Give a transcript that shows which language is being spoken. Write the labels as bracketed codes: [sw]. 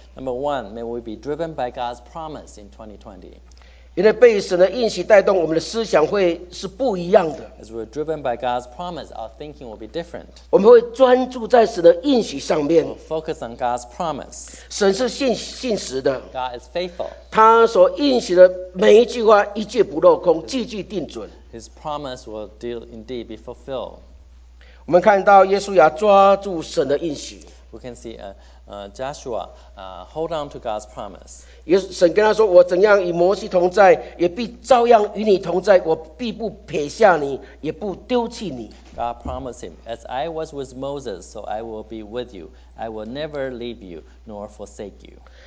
[en] Number one, may we be driven by God's promise in 2020. [zh] 因为被神的应许带动，我们的思想会是不一样的。 [en] As we're driven by God's promise, our thinking will be different. [zh] 我们会专注在神的应许上面。 [en] We'll focus on God's promise. [zh] 神是信实的。 [en] God is faithful. [zh] 他所应许的每一句话，一句不落空，句句定准。 [en] His promise will indeed be fulfilled. [zh] 我们看到耶稣要抓住神的应许。 [en] We can see Joshua hold on to God's promise. [zh] 神跟他说，我怎样与摩西同在，也必照样与你同在，我必不撇下你，也不丢弃你。 [en] God promised him, as I was with Moses, so I will be with you. I will never leave you nor forsake you.